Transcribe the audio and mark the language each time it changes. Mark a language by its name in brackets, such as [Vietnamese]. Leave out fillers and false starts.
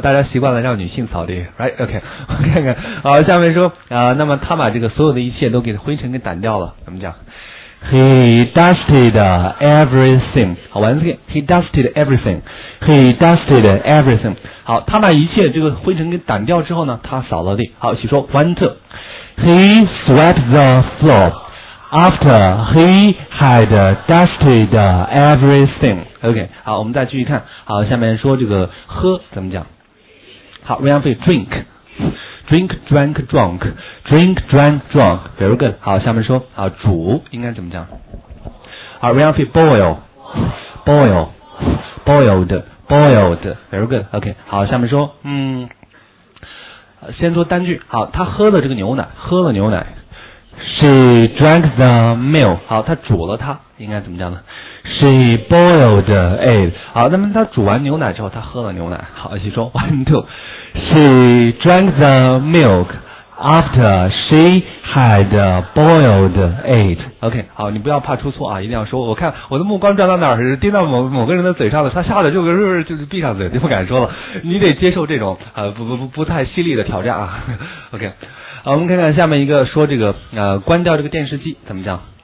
[Chinese] 大家习惯了让女性扫地 ，right? OK, 我看看。好，下面说那么他把这个所有的一切都给灰尘给掸掉了，怎么讲 ？ [English] He dusted everything. [Chinese] 好，完了 [English] ，He dusted everything. He dusted everything. [Chinese] 好他把一切这个灰尘给掸掉之后呢他扫了地。好起说 [English] one two. He swept the floor after he had dusted everything. [Chinese] OK, 好我们再继续看。好下面说这个喝怎么讲。好 [English] Ryanfei, drink. Drink, drank, drunk. Drink, drank, drunk. Very good. [Chinese] 好下面说煮应该怎么讲。 [English] 好 Ryanfei, boil. Boil. Boiled. Boiled, very good. [Chinese] OK, 好，下面说，先说单句。好，他喝了这个牛奶，喝了牛奶。 [English] She drank the milk. [Chinese] 好，他煮了它，应该怎么讲呢 ？ [English] She boiled it. [Chinese] 好，那么他煮完牛奶之后，他喝了牛奶。好，一起说 ， [English] one two. She drank the milk after she had boiled it. [Chinese] OK, 好，你不要怕出错啊，一定要说。我看我的目光转到哪儿，盯到某个人的嘴上了，他吓得就闭上嘴，就不敢说了。你得接受这种不太犀利的挑战啊。 OK, 好，我们看看下面一个说这个关掉这个电视机怎么讲？